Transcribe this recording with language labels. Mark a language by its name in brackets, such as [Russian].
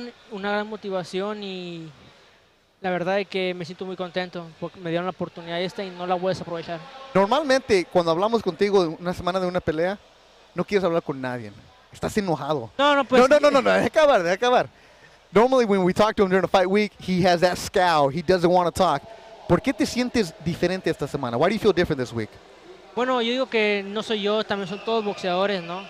[Spanish] Una gran motivación y la verdad es que me siento muy contento porque me dieron la oportunidad esta y no la voy a desaprovechar. Normalmente, cuando hablamos contigo una semana de una pelea, no quieres hablar con nadie. Estás enojado. No, acabar. [English] Normally, when we talk to him during the fight week, he has that scowl. He doesn't want to talk. [Spanish] ¿Por qué te sientes diferente esta semana? [English] Why do you feel different this week? [Spanish] Bueno, yo digo que no soy yo, también son todos boxeadores, ¿no?